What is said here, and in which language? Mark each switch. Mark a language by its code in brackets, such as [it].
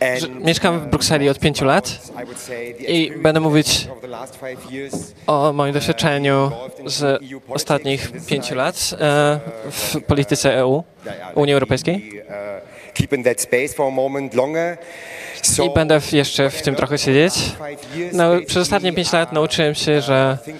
[pl] Mieszkam w Brukseli od 5 lat i będę mówić o moim doświadczeniu z ostatnich 5 lat w polityce EU, Unii Europejskiej. [en] Keep in that space for a moment longer. [pl] So, i będę jeszcze w tym trochę siedzieć. No, przez ostatnie 5 lat nauczyłem się, że